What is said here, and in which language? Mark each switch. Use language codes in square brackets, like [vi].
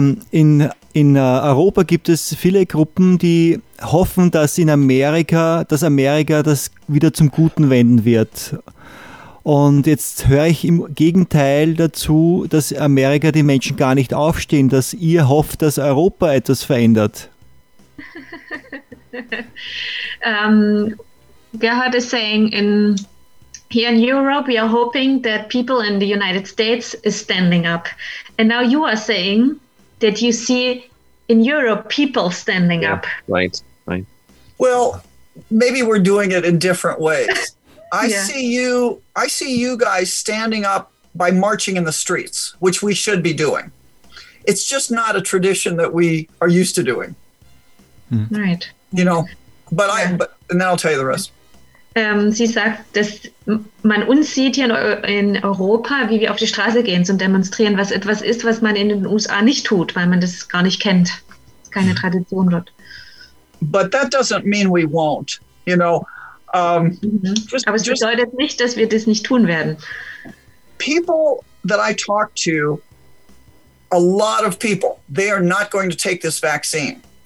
[de] in Europa gibt es viele Gruppen, die hoffen, dass Amerika das wieder zum Guten wenden wird. Und jetzt höre ich im Gegenteil dazu, dass Amerika die Menschen gar nicht aufstehen, dass ihr hofft, dass Europa etwas verändert. [en] Gerhard is saying, here in Europe, we are hoping that people in the United States is standing up. And now you are saying that you see in Europe people standing up. Right, right. Well, maybe we're doing it in different ways. I see you guys standing up by marching in the streets, which we should be doing. It's just not a tradition that we are used to doing. Mm-hmm. Right. You know, and then I'll tell you the rest. [de] Sie sagt, dass man uns sieht hier in Europa, wie wir auf die Straße gehen zum Demonstrieren, was etwas ist, was man in den USA nicht tut, weil man das gar nicht kennt. Keine Tradition dort. [en] But that doesn't mean we won't, you know. [de] Aber es bedeutet nicht, dass wir das nicht tun werden. [en] People that I talk to, a lot of people, they are not going to take this vaccine.